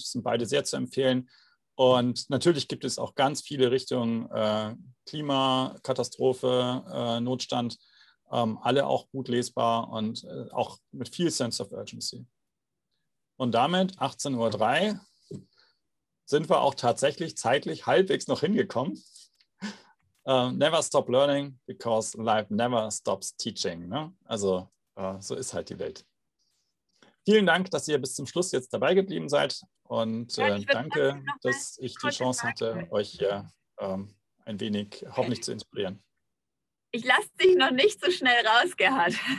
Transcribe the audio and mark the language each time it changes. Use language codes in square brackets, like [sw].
[de] Das sind beide sehr zu empfehlen. Und natürlich gibt es auch ganz viele Richtungen Klima, Katastrophe, Notstand, alle auch gut lesbar und auch mit viel Sense of Urgency. Und damit, 18.03 Uhr, sind wir auch tatsächlich zeitlich halbwegs noch hingekommen. [en] Never stop learning, because life never stops teaching. [de] Ne? Also so ist halt die Welt. Vielen Dank, dass ihr bis zum Schluss jetzt dabei geblieben seid. Und danke, dass ich die Chance hatte, euch hier ein wenig hoffentlich zu inspirieren. Ich lasse dich noch nicht so schnell raus, Gerhard.